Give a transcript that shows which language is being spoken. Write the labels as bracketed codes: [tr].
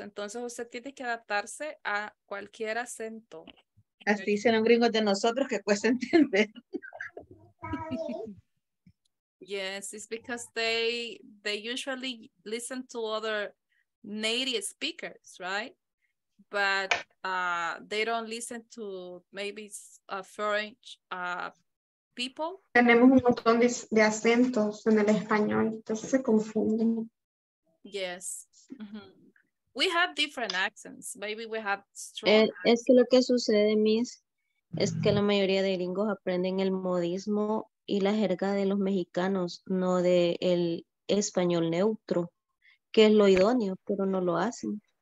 [es] Entonces usted tiene que adaptarse a cualquier acento. Así dicen los gringos de nosotros que cuesta entender. [en] Yes, it's because they usually listen to other native speakers, right? But they don't listen to maybe foreign people. [es] Tenemos un montón de acentos en el español, entonces se confunden. [en] Yes. Mm-hmm. We have different accents. Maybe we have strong. [es] Es que lo que sucede, Miss, es que la mayoría de gringos aprenden el modismo y la jerga de los mexicanos, no de el español neutro, que es lo idóneo, pero no lo hacen.